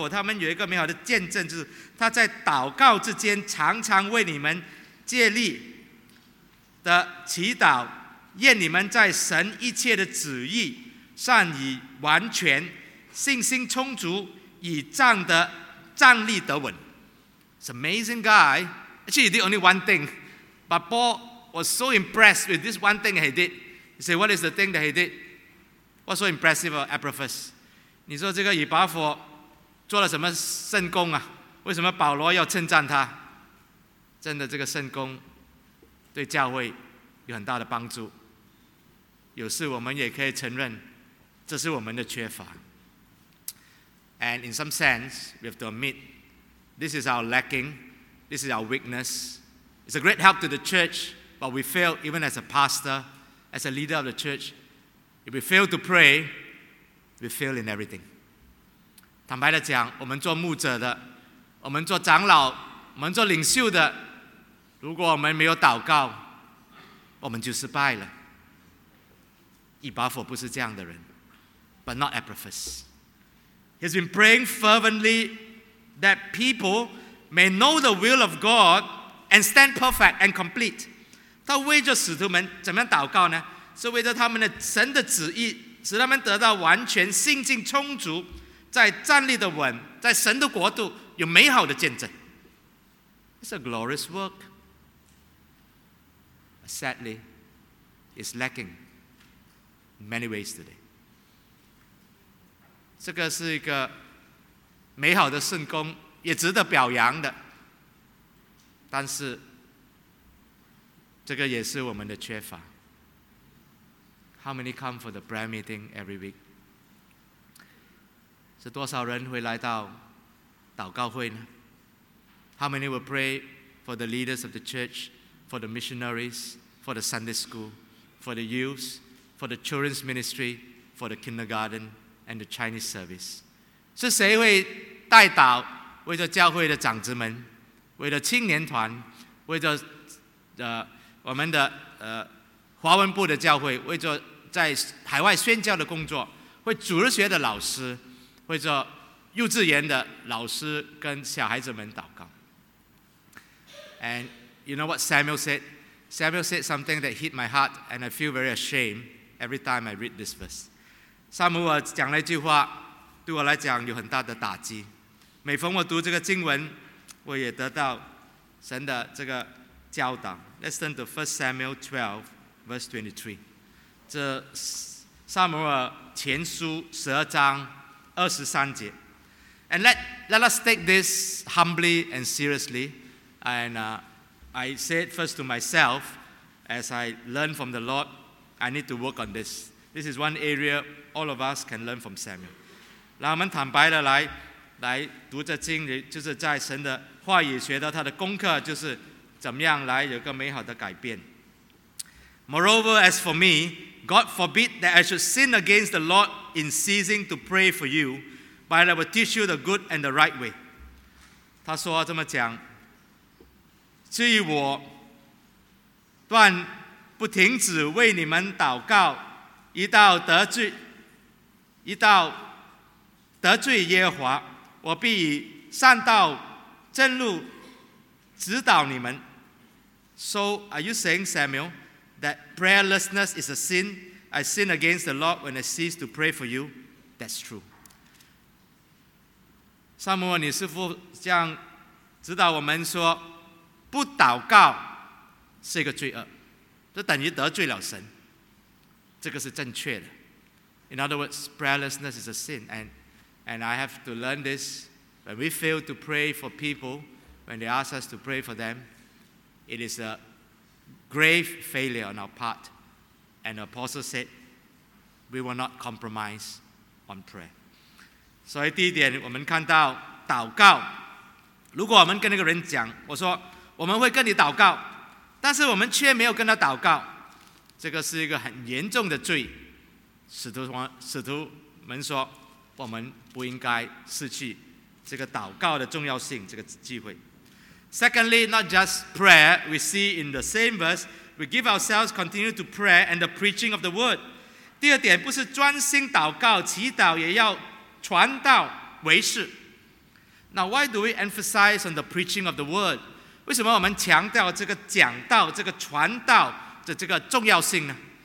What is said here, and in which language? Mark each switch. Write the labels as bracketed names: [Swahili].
[Chinese] 在 Colossae 4:10，有一位弟兄是一个领袖，不知道是传道还是长老。但是我们知道这位弟兄以巴弗，他们有一个美好的见证，就是他在祷告之间常常为你们 借力的祈祷愿你们在神一切的旨意上已完全，信心充足，以站立得稳。 [English] It's an amazing guy. Actually, he did only one thing. But Paul was so impressed with this one thing he did. He said, what is the thing that he did? What's so impressive about Epaphras? [Chinese] 你说这个以巴弗做了什么圣功啊？为什么保罗要称赞他？真的，这个圣功对教会有很大的帮助。有时我们也可以承认，这是我们的缺乏。 [English] And in some sense, we have to admit, this is our lacking, this is our weakness. It's a great help to the church, but we fail even as a pastor, as a leader of the church. If we fail to pray, we fail in everything. [Chinese] 坦白地讲，我们做牧者的，我们做长老，我们做领袖的，如果我们没有祷告，我们就失败了。以巴弗不是这样的人， [English] but not Epaphras. He's been praying fervently that people may know the will of God and stand perfect and complete. [Chinese] 他为着使徒们怎么样祷告呢？是为着他们的神的旨意，使他们得到完全信心充足，在站立的稳，在神的国度有美好的见证。 [English] It's a glorious work. Sadly, it's lacking in many ways today. [Chinese] 这个是一个美好的圣功，也值得表扬的，但是这个也是我们的缺乏。 [English] How many come for the prayer meeting every week? [Chinese] 是多少人会来到祷告会呢？ [English] How many will pray for the leaders of the church, for the missionaries, for the Sunday school, for the youth, for the children's ministry, for the kindergartenand the Chinese service. [Chinese] 是谁会代祷为着教会的长子们，为着青年团，为着我们的华文部的教会，为着在海外宣教的工作，为主日学的老师，为着幼稚园的老师跟小孩子们祷告。 [English] And you know what Samuel said? Samuel said something that hit my heart and I feel very ashamed every time I read this verse. [Chinese] 撒母耳讲了一句话，对我来讲有很大的打击。每逢我读这个经文，我也得到神的这个教导。 [English] Let's turn to 1 Samuel 12, verse 23. [Chinese] 这撒母耳前书12:23. [English] And let us take this humbly and seriously. And I said first to myself, as I learn from the Lord, I need to work on this. This is one area all of us can learn from Samuel. [Chinese] 让我们坦白的来读这经，就是在神的话语学到他的功课，就是怎么样来有个美好的改变。 [English] Moreover, as for me, God forbid that I should sin against the Lord in ceasing to pray for you, but I will teach you the good and the right way. [Chinese] 他说这么讲，至于我断不停止为你们祷告，一到得罪耶和华，我必以善道正路指导你们。 [English] So are you saying, Samuel, that prayerlessness is a sin? I sin against the Lord when I cease to pray for you? That's true. [Chinese] 撒母耳，你是否这样指导我们说，不祷告是一个罪恶，这等于得罪了神，这个是正确的。 [English] In other words, prayerlessness is a sin, and I have to learn this. When we fail to pray for people, when they ask us to pray for them, it is a grave failure on our part. And the apostle said, we will not compromise on prayer. [Chinese] 所以第一点，我们看到祷告，如果我们跟那个人讲，我说我们会跟你祷告，但是我们却没有跟他祷告，这个是一个很严重的罪。使徒们说，我们不应该失去这个祷告的重要性，这个机会。 [English] Secondly, not just prayer, we see in the same verse, we give ourselves continue to prayer and the preaching of the word. [Chinese] 第二点，不是专心祷告，祈祷也要传道为事。 [English] Now, why do we emphasize on the preaching of the word? [Chinese] 为什么我们强调这个讲道，这个传道？这个重要性呢？